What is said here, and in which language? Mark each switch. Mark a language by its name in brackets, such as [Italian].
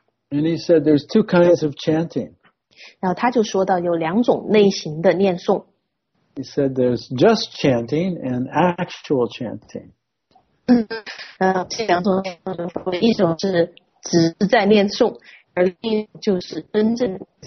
[English] And he said there's two kinds of chanting. [Chinese] 然后他就说到有两种类型的念诵。 [English] He said there's just chanting and actual chanting. [Chinese] 这两种念诵，一种是只是在念诵，而另一种就是真正